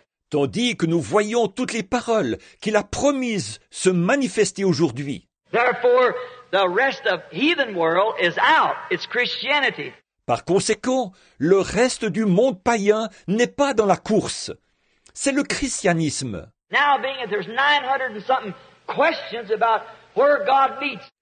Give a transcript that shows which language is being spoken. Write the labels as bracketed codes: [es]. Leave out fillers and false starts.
[fr] Tandis que nous voyons toutes les paroles qu'il a promises se manifester aujourd'hui. [en] Therefore, the rest of heathen world is out. It's Christianity. [fr] Par conséquent, le reste du monde païen n'est pas dans la course. C'est le christianisme. [en] Now being that there's 900 and something questions about where God meets.